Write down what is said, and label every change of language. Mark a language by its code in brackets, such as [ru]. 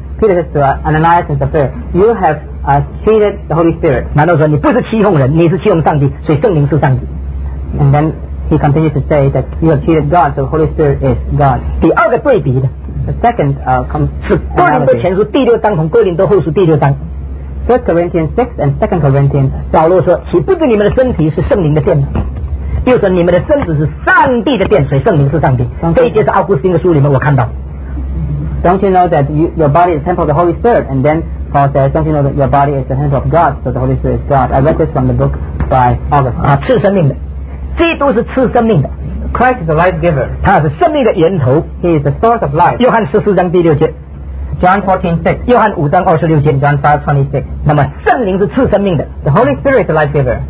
[en] Peter says to Ananias and Sapphira you have、cheated the Holy Spirit [zh] 难道说你不是欺哄人你是欺哄上帝所以圣灵是上帝 [en] and then he continues to say that you have cheated God so the Holy Spirit is God [zh] 第二个对比的 [en] the second、 [zh] 是哥林多前书第六章从哥林多后书第六章 [en] First Corinthians 6 and Second Corinthians. [zh] 保罗说，岂不知你们的身体是圣灵的殿吗？又说你们的身子是上帝的殿，所以圣灵是上帝。这一节是奥古斯丁的书里面我看到。 [en] Don't you know that your body is temple of the Holy Spirit? And then Paul says, Don't you know that your body is the temple of God? So the Holy Spirit is God. I read this from the book by Augustine. [zh] 啊，赐生命的，基督是赐生命的。 [en] Christ is the life giver. [zh] 他是生命的源头。 [en] He is the source of life. [zh] 约翰十四章第六节。 [en] John 14:6. [zh] 约翰五章二十六节。 [en] John 5:26. [zh] 那么圣灵是赐生命的。 [en] The Holy Spirit is life giver.